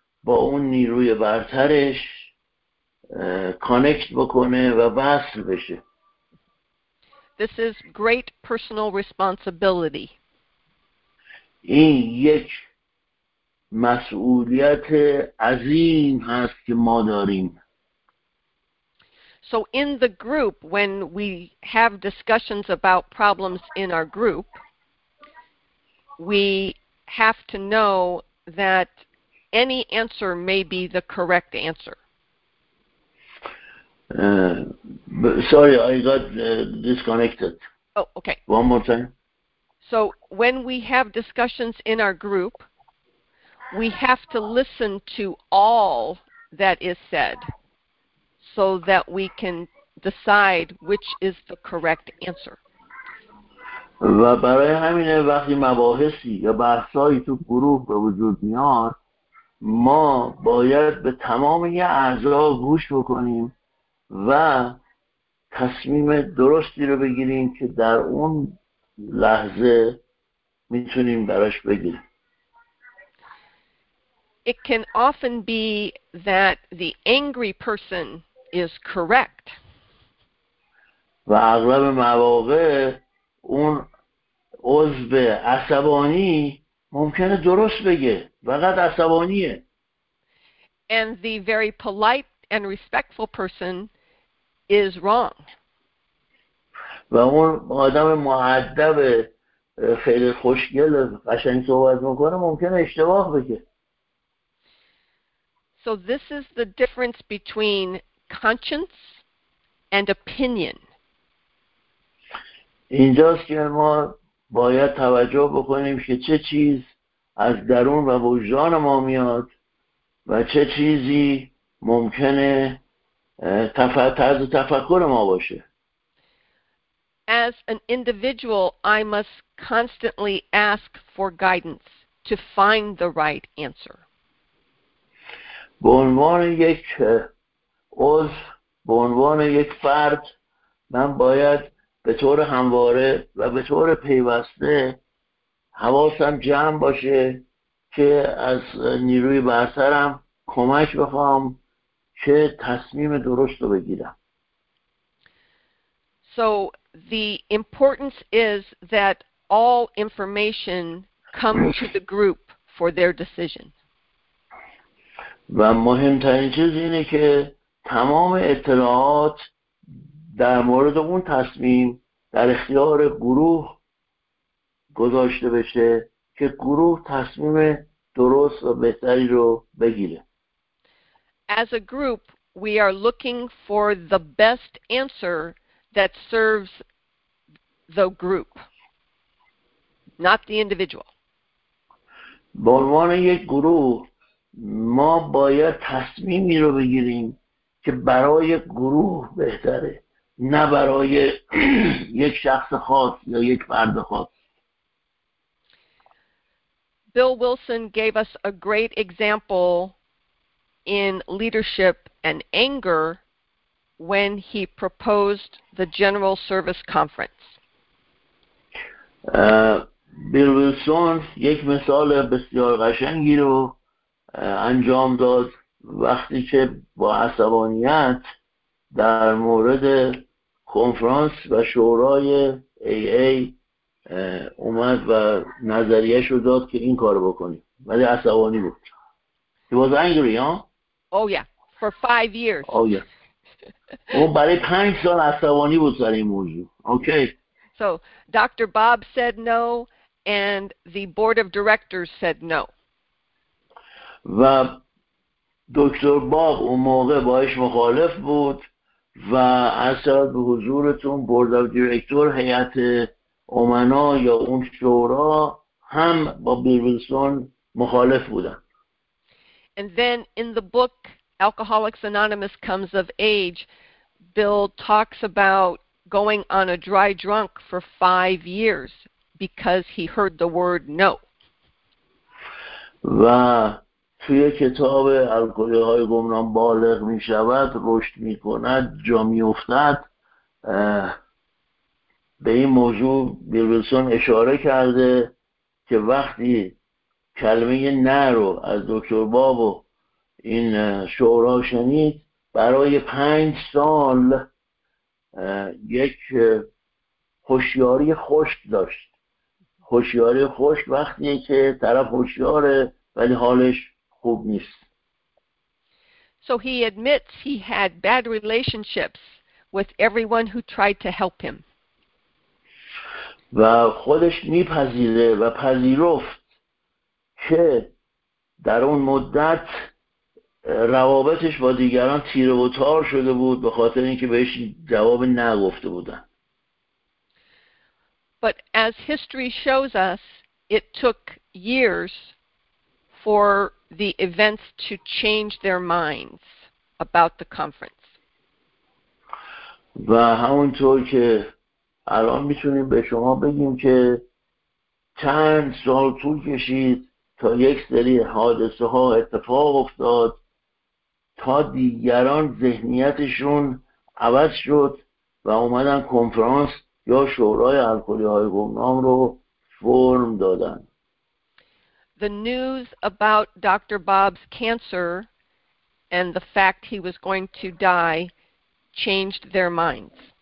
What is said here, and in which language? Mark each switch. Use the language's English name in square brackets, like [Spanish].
[Persian] با اون نیروی برترش کانکت بکنه و وصل بشه. [English] This is great personal responsibility. [Persian] این یک مسئولیت عظیم هست که ما داریم. [English] So in the group, when we have discussions about problems in our group, we have to know that any answer may be the correct answer. Sorry, I got disconnected. Oh, okay. One more time. So when we have discussions in our group, we have to listen to all that is said so that we can decide which is the correct answer. [Persian] و برای همین وقتی مباحثی یا بحثایی تو گروه به وجود میاد ما باید به تمام اعضا گوش بکنیم و تصمیم درستی رو بگیریم که در اون لحظه میتونیم براش بگیریم. [English] It can often be that the angry person is correct. [Persian] و اغلب مواقع اون عضو عصبانی ممکنه درست بگه، فقط عصبانیه. [English] And the very polite and respectful person is wrong. [Persian] و اون آدم مؤدب خیلی خوشگل قشنگ صحبت میکنه ممکنه اشتباه بگه. [English] So this is the difference between conscience and opinion. [Persian] اینجاست که ما باید توجه بکنیم که چه چیز از درون و وجدان ما میاد و چه چیزی ممکنه طرز تفکر ما باشه. [English] As an individual, I must constantly ask for guidance to find the right answer. [Persian] به عنوان یک عضو، به عنوان یک فرد، من باید به طور همواره و به طور پیوسته حواسم جمع باشه که از نیروی برترم کمک بخوام که تصمیم درست رو بگیرم. [English] So the importance is that all information come to the group for their decision. [Persian] و مهمترین چیز اینه که تمام اطلاعات در مورد اون تصمیم در اختیار گروه گذاشته بشه که گروه تصمیم درست و بهتری رو بگیره. [English] As a group, we are looking for the best answer that serves the group, not the individual. [Persian] به عنوان یک گروه ما باید تصمیمی رو بگیریم که برای گروه بهتره، نه برای یک شخص خاص یا یک فرد خاص. [English] Bill Wilson gave us a great example in leadership and anger when he proposed the General Service Conference. [Persian] Bill Wilson یک مثال بسیار قشنگی رو انجام داد وقتی که با عصبانیت در مورد کنفرانس و شورای AA اومد و نظریه شو داد که این کارو بکنیم، ولی عصبانی بود. [English] He was angry, huh? Oh yeah, for 5 years. Oh yeah. [Persian] اون برای 5 سال عصبانی بود سر این موضوع. [English] Okay. So Dr. Bob said no and the board of directors said no. [Persian] و دکتر باب اون موقع باهاش مخالف بود و اصلا به حضورتون [English] board of director [Persian] هیئت امنا یا اون شورا هم با بیلسون مخالف بودن. [English] And then in the book Alcoholics Anonymous Comes of Age, Bill talks about going on a dry drunk for 5 years because he heard the word no. [Persian] و توی کتاب الگوی های گمنام بالغ می شود، رشد می کند، جا می افتد، به این موضوع بیل ویلسون اشاره کرده که وقتی کلمه نه رو از دکتر باب و این شورا شنید برای 5 سال یک هوشیاری خشک داشت. هوشیاری خشک وقتی که طرف هوشیاره ولی حالش خوب نیست. [English] So he admits he had bad relationships with everyone who tried to help him. [Persian] و خودش میپذیره و پذیرفت که در اون مدت روابطش با دیگران تیره و تار شده بود به خاطر اینکه بهش جواب نگفته بودن. [English] But as history shows us, it took years for the events to change their minds about the conference. [Persian] و همونطور که الان میتونیم به شما بگیم که چند سال طول کشید تا یک سری حادثه ها اتفاق افتاد تا دیگران ذهنیتشون عوض شد و اومدن کنفرانس یا شورای الکلی های گمنام رو فرم دادن. [English] The news about Dr. Bob's cancer and the fact he was going to die changed their minds.